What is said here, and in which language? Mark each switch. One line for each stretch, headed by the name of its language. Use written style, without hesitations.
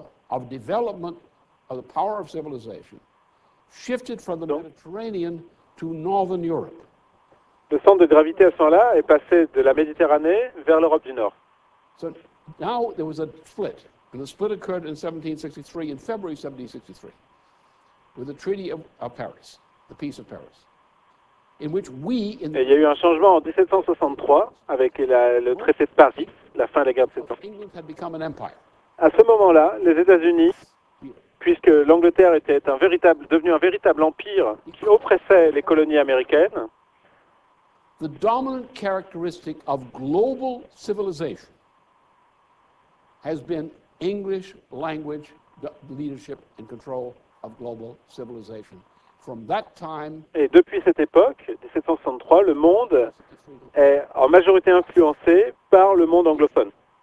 English: Of development of the power of civilization shifted from the Mediterranean to northern Europe.
French: Le centre de gravité à ce moment-là est passé de la Méditerranée vers l'Europe du Nord.
English: So now there was a split, and the split occurred in 1763, in February 1763, with the Treaty of Paris, the Peace of Paris, in which we. In
French: Et il y a eu un changement en 1763 avec le traité de Paris, la fin de la guerre de 7 ans.
English: England had become an empire.
French: À ce moment-là, les États-Unis, puisque l'Angleterre était devenu un véritable empire qui oppressait les colonies américaines,
English: the dominant characteristic of global civilization has been English language leadership and control of global civilization. From that time,
French: et depuis cette époque, 1763, le monde est en majorité influencé par le monde anglophone.